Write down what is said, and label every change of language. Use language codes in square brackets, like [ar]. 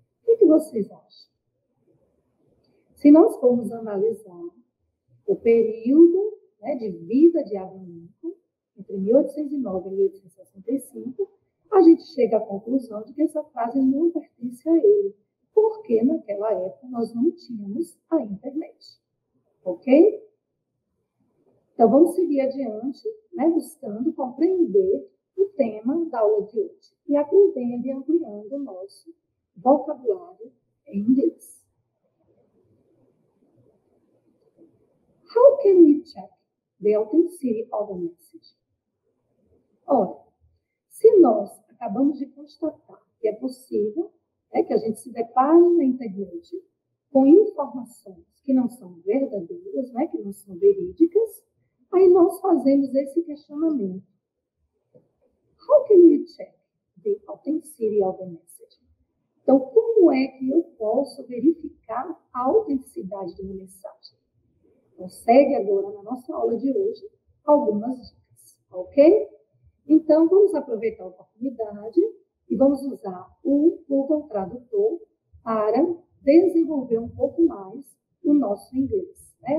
[pt] O que vocês acham? Se nós formos analisar o período, né, de vida de Abraham Lincoln, entre 1809 e 1865, a gente chega à conclusão de que essa frase não pertence a ele, porque naquela época nós não tínhamos a internet. Ok? Então, vamos seguir adiante, né, buscando compreender o tema da aula de hoje e aprendendo e ampliando o nosso vocabulário em inglês. [en] How can we check the authenticity of a message? [pt] Ora, se nós acabamos de constatar que é possível, né, que a gente se depare na internet com informações que não são verdadeiras, né, que não são verídicas, aí nós fazemos esse questionamento. [en] How can you check the authenticity of a message? [pt] Então, como é que eu posso verificar a autenticidade de uma mensagem? Então, segue agora na nossa aula de hoje algumas dicas, ok? Então, vamos aproveitar a oportunidade e vamos usar o Google Tradutor para desenvolver um pouco mais o nosso inglês, né?